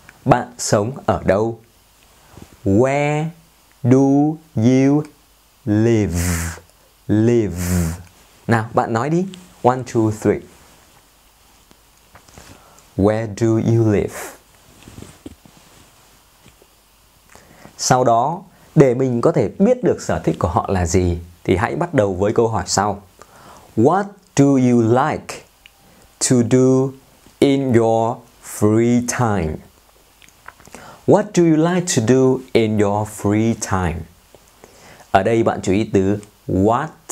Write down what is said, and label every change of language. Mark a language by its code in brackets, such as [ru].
[vi] Bạn sống ở đâu? [en] Where do you live? Live. [vi] Nào, bạn nói đi. 1, 2, 3. [en] Where do you live? [vi] Sau đó, để mình có thể biết được sở thích của họ là gì, thì hãy bắt đầu với câu hỏi sau. [en] What do you like to do in your free time? What do you like to do in your free time? [vi] Ở đây bạn chú ý từ what,